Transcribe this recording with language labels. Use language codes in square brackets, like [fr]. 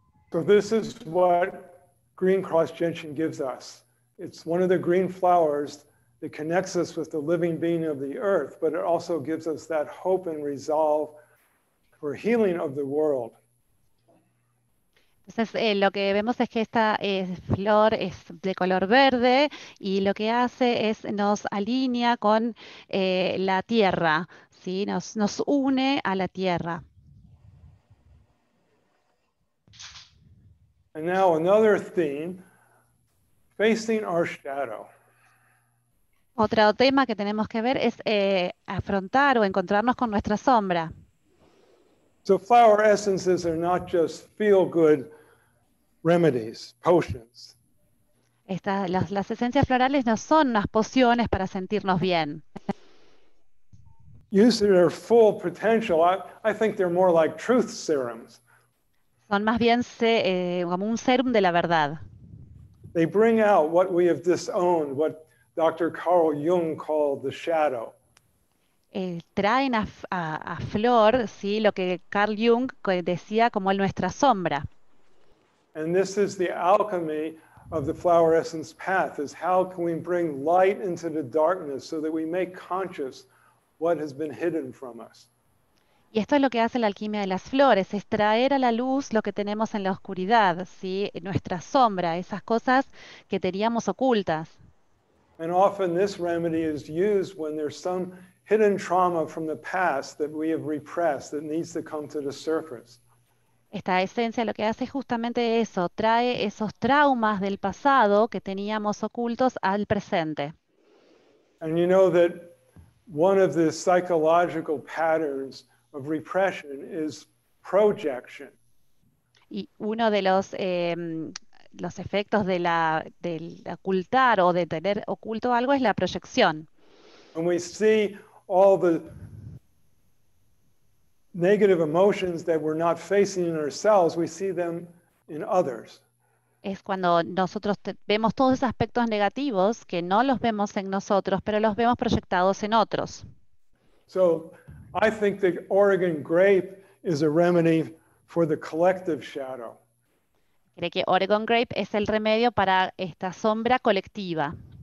[en] So this is what Green Cross Gentian gives us. It's one of the green flowers that connects us with the living being of the earth, but it also gives us that hope and resolve for healing of the world. [es] Entonces, lo que vemos es que esta flor es de color verde y lo que hace es nos alinea con la tierra, ¿sí? Nos une a la tierra. [en] And now another theme, facing our shadow. [es] Otro tema que tenemos que ver es afrontar o encontrarnos con nuestra sombra. [en] So flower essences are not just feel good remedies, potions. [es] Las esencias florales no son unas pociones para sentirnos bien. [en] Use their full potential. I think they're more like truth serums. [es] Son más bien como un serum de la verdad. [en] They bring out what we have disowned, what Dr. Carl Jung called the shadow. [es] Traen a flor, sí, lo que Carl Jung decía como nuestra sombra. [en] And this is the alchemy of the flower essence path, is how can we bring light into the darkness so that we make conscious what has been hidden from us. [es] Y esto es lo que hace la alquimia de las flores, es traer a la luz lo que tenemos en la oscuridad, ¿sí? Nuestra sombra, esas cosas que teníamos ocultas. [en] And often this remedy is used when there's some hidden trauma from the past that we have repressed that needs to come to the surface. [es] Esta esencia lo que hace es justamente eso, trae esos traumas del pasado que teníamos ocultos al presente. [en] And you know that one of the psychological patterns of repression is projection. [es] Y uno de los efectos de del ocultar o de tener oculto algo es la proyección. [en] And we see all the negative emotions that we're not facing in ourselves, we see them in others. [es] Es cuando nosotros vemos todos esos aspectos negativos que no los vemos en nosotros, pero los vemos proyectados en otros. [en] So I think the Oregon grape is a remedy for the collective shadow. [es] Creo que Oregon grape es el remedio para esta sombra colectiva.